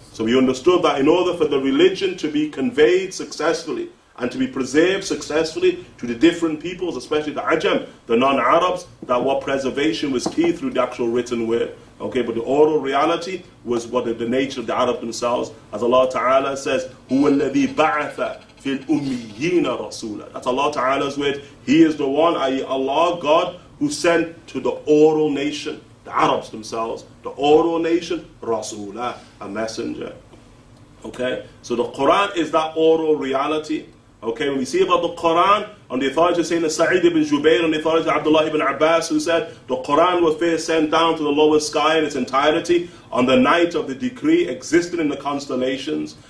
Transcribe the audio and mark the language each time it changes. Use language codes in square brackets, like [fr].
[en] So we understood that in order for the religion to be conveyed successfully, and to be preserved successfully to the different peoples, especially the Ajam, the non-Arabs, that what preservation was key through the actual written word. Okay, but the oral reality was what the nature of the Arab themselves. As Allah Ta'ala says, [ar] هُوَ الَّذِي بَعَثَ فِي الْأُمِّيِّينَ رَسُولًا. [en] That's Allah Ta'ala's word. He is the one, i.e. Allah, God, who sent to the oral nation. the Arabs themselves, the oral nation, Rasulah, a messenger. Okay, so the Quran is that oral reality. Okay, when we see about the Quran, on the authority of Sayyidina Sa'id ibn Jubayr, on the authority of Abdullah ibn Abbas, who said, the Quran was first sent down to the lower sky in its entirety on the night of the decree existing in the constellations.